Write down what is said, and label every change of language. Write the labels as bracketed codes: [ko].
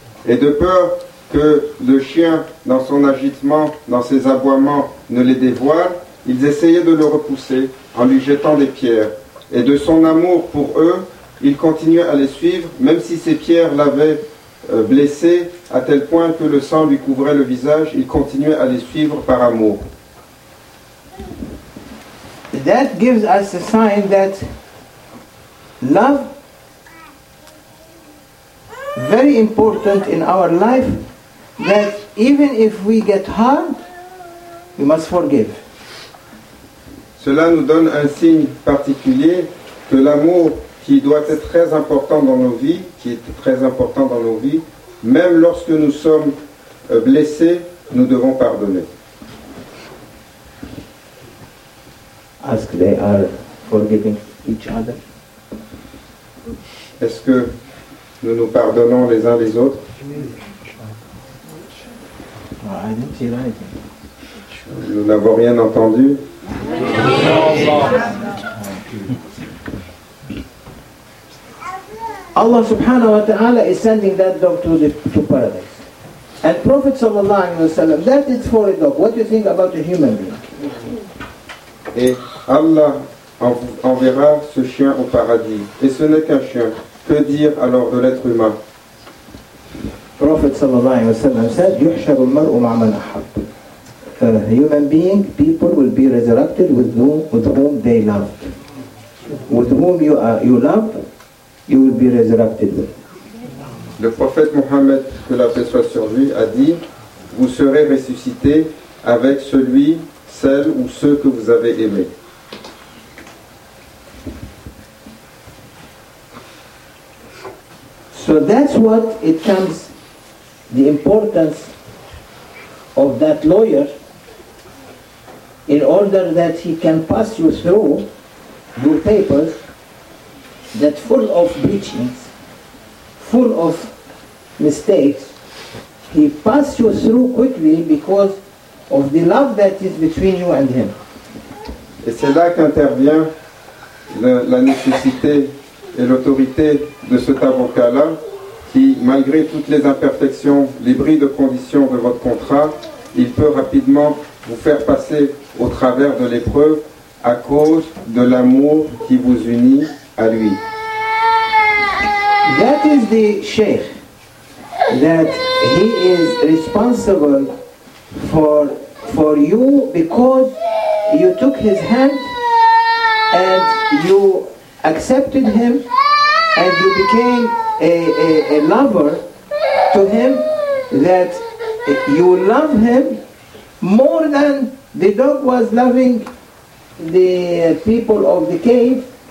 [fr] Et de peur que le chien, dans son agitement, dans ses aboiements, ne les dévoile, ils essayaient de le repousser en lui jetant des pierres. Et de son amour pour eux, il continuait à les suivre, même si ces pierres l'avaient blessé à tel point que le sang lui couvrait le visage, il continuait à les suivre par amour. [en] That gives us a sign that love, very important in our life, that even if we get harmed, we must forgive. [fr] Cela nous donne un signe particulier que l'amour qui doit être très important dans nos vies, qui est très important dans nos vies, même lorsque nous sommes blessés, nous devons pardonner. [en] Ask they are forgiving each other. [fr] Est-ce que nous nous pardonnons les uns les autres? [en] I didn't hear anything. [fr] Nous n'avons rien entendu. [en] Allah subhanahu wa ta'ala is sending that dog to paradise. And Prophet sallallahu alayhi wa sallam, that is for a dog. What do you think about a human being? [fr] Et Allah enverra ce chien au paradis. Et ce n'est qu'un chien. Que dire alors de l'être humain? [en] Prophet sallallahu alayhi wa sallam said, [ar] yuhsharul mar'u ma'a man ahab. [en] Human being, people will be resurrected with whom they loved. With whom you love, you will be resurrected. [fr] Le prophète Mohammed, que la paix soit sur lui, a dit, vous serez ressuscité avec celui, celle ou ceux que vous avez aimés. [en] So that's what it comes, the importance of that lawyer, in order that he can pass you through your papers that full of breaches, full of mistakes, he pass you through quickly because of the love that is between you and him. [fr] Et c'est là qu'intervient la nécessité et l'autorité de cet avocat-là qui, malgré toutes les imperfections, les bris de conditions de votre contrat, il peut rapidement vous faire passer au travers de l'épreuve à cause de l'amour qui vous unit à lui. [en] That is the sheikh, that he is responsible for you because you took his hand and you accepted him and you became a lover to him, that you love him more than the dog was loving the people of the cave.